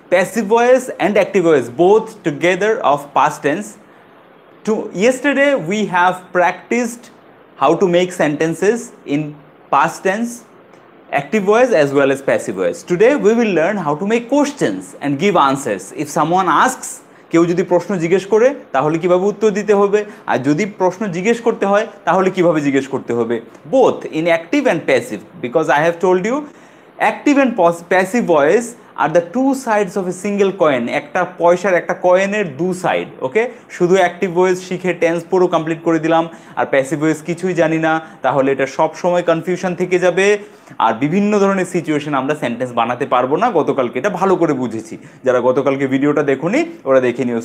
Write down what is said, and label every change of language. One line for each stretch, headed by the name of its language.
English: Passive voice and active voice, both together of past tense. Yesterday, we have practiced how to make sentences in past tense, active voice as well as passive voice. Today we will learn how to make questions and give answers. If someone asks,
Bangla: কেউ যদি প্রশ্ন জিজ্ঞেস করে তাহলে কিভাবে উত্তর দিতে হবে, আর যদি প্রশ্ন জিজ্ঞেস করতে হয় তাহলে কিভাবে জিজ্ঞেস করতে হবে.
English: Both in active and passive, because I have told you active and passive voice are the two sides of a single coin.
Bangla: একটা পয়সার একটা কয়েনের দু সাইড. ওকে, শুধু অ্যাক্টিভ ভয়েস শিখে টেন্স পুরো কমপ্লিট করে দিলাম আর প্যাসিভ ভয়েস কিছুই জানি না, তাহলে এটা সব সময় কনফিউশন থেকে যাবে আর বিভিন্ন ধরনের সিচুয়েশন আমরা সেন্টেন্স বানাতে পারবো না. গতকালকে এটা ভালো করে বুঝেছি, যারা গতকালকে ভিডিওটা দেখুনি ওরা দেখে নিও.